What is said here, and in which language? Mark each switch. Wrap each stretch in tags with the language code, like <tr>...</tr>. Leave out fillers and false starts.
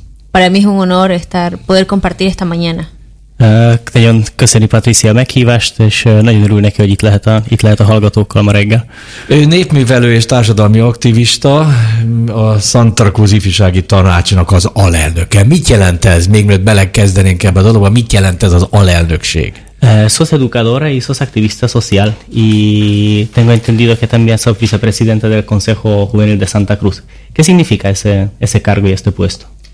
<es>Para mí es un honor estar poder compartir esta mañana.</es> <hu>Nagyon köszöni Patricia a meghívást, és nagyon örül neki, hogy itt lehet a hallgatókkal ma reggel. Ő népművelő és társadalmi aktivista, a Szantrakúz ifjúsági tanácsnak az alelnöke. Mit jelent ez? Még mielőtt belekezdenénk ebbe a dologba, mit jelent ez az alelnökség?</hu> <es>Sos educadora y sos activista social y tengo entendido que también sos vicepresidenta del Consejo Juvenil de Santa Cruz. ¿Qué significa ese cargo y este puesto?</es>